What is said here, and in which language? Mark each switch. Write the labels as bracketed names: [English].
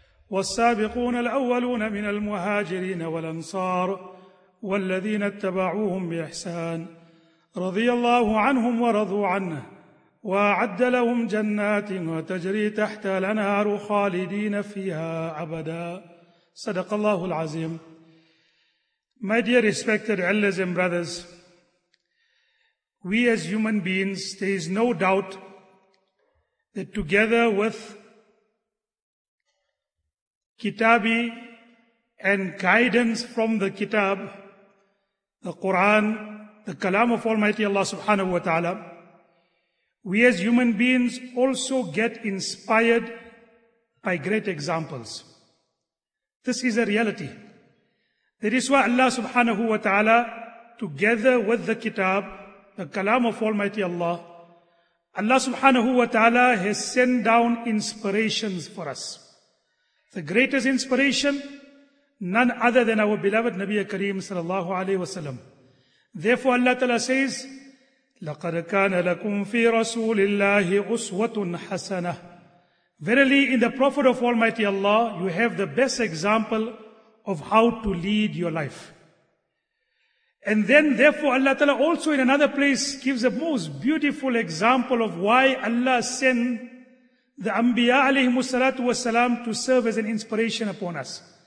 [Arabic] والسابقون الأولون من المهاجرين والأنصار والذين اتبعوهم بإحسان رضي الله عنهم ورضوا عنه وأعد لهم جنات وتجري تحت الأنهار خالدين فيها أبدا صدق الله العظيم. [English] My dear respected elders and brothers, we as human beings, there is no doubt that together with Kitabi and guidance from the Kitab, the Quran, the Kalam of Almighty Allah subhanahu wa ta'ala, we as human beings also get inspired by great examples. This is a reality. That is why Allah subhanahu wa ta'ala, together with the Kitab, the Kalam of Almighty Allah, Allah subhanahu wa ta'ala has sent down inspirations for us. The greatest inspiration, none other than our beloved Nabiya Kareem sallallahu alayhi wa sallam. Therefore Allah Ta'ala says, [Arabic] لَقَدْ كَانَ لَكُمْ فِي رَسُولِ اللَّهِ أُسْوَةٌ حَسَنَةٌ. [English] Verily, in the Prophet of Almighty Allah, you have the best example of how to lead your life. And then therefore Allah Ta'ala also in another place gives a most beautiful example of why Allah sent the Anbiya alayhimu salatu wasalam to serve as an inspiration upon us.